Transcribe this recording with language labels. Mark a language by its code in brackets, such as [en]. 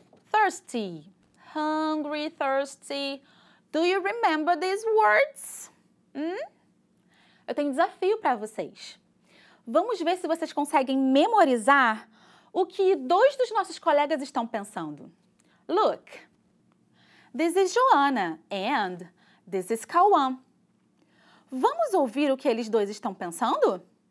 [en] Thirsty. Hungry, thirsty. Do you remember these words? [pt] Eu tenho um desafio para vocês. Vamos ver se vocês conseguem memorizar o que dois dos nossos colegas estão pensando. [en] Look, this is Joanna and this is Kawan. [pt] Vamos ouvir o que eles dois estão pensando?